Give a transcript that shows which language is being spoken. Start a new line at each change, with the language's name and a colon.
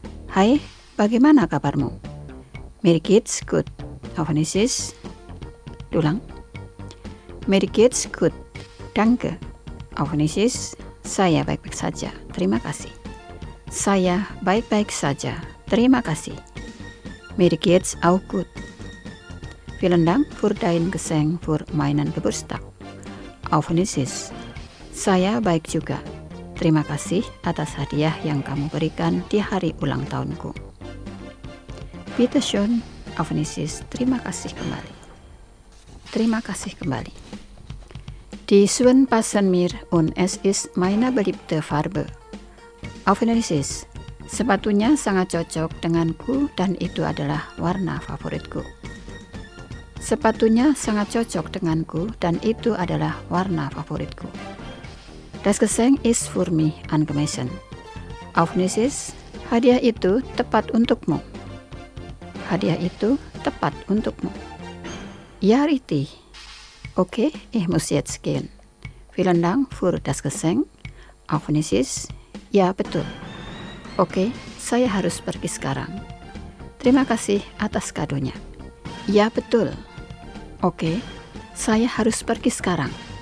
Indonesian: Hi, bagaimana kabarmu?
German: Mir geht's gut. Auf Indonesisch. Dulang. Mir geht's gut. Danke. Auf Indonesisch.
Indonesian: Saya baik-baik saja. Terima kasih. Saya baik-baik saja. Terima kasih.
German: Mir geht's auch gut. Vielen Dank für dein Geschenk für meinen Geburtstag. Auf Indonesisch.
Indonesian: Saya baik juga. Terima kasih atas hadiah yang kamu berikan di hari ulang tahunku.
German: Bitte schön, auf Indonesisch,
Indonesian: terima kasih kembali. Terima kasih kembali.
German: Die Schuhe passen mir und es ist meine beliebte Farbe. Auf Indonesisch,
Indonesian: sepatunya sangat cocok denganku dan itu adalah warna favoritku. Sepatunya sangat cocok denganku dan itu adalah warna favoritku.
German: Das Geschenk ist für mich angemessen. Auf Indonesisch,
Indonesian: hadiah itu tepat untukmu. Hadiah itu tepat untukmu.
German: Ja, richtig. Okay, ich muss jetzt gehen. Vielen Dank für das Geschenk. Auf Indonesisch. Ja, betul.
Indonesian: Okay, saya harus pergi sekarang. Terima kasih atas kadonya. Ja, betul. Okay, saya harus pergi sekarang.